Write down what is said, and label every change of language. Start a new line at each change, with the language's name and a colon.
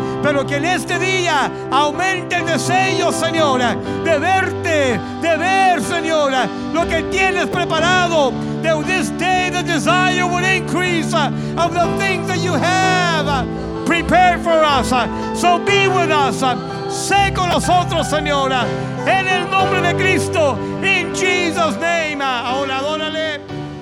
Spanish: Pero que en este día aumente el deseo, Señora, de verte, de ver, Señora, lo que tienes preparado.
English: That this day the desire will increase of the things that you have prepared for us. So be with us.
Spanish: Sé con nosotros, Señora. En el nombre de Cristo.
English: In Jesus' name.
Spanish: Ahora adórale.